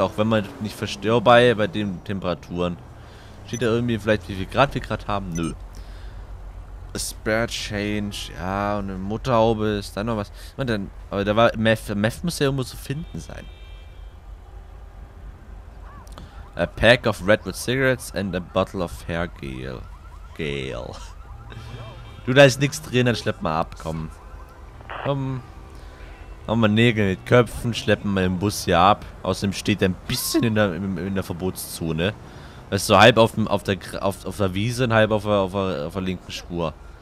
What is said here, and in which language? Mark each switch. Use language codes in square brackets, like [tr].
[de] Auch wenn man nicht verstörbar bei den Temperaturen. Steht da irgendwie vielleicht, wie viel Grad wir gerade haben? Nö. [en] A Spare Change. [de] Ja, und eine Motorhaube ist da noch was. Und dann, aber da war Meth. Meth muss ja irgendwo zu finden sein. [en] A pack of Redwood Cigarettes and a bottle of Hair Gel. [de] Du, da ist nichts drin, dann schlepp mal ab. Komm. Machen wir Nägel mit Köpfen, schleppen wir den Bus hier ab. Außerdem steht er ein bisschen in der Verbotszone. Weißt du, halb auf der Wiese und halb auf der linken Spur.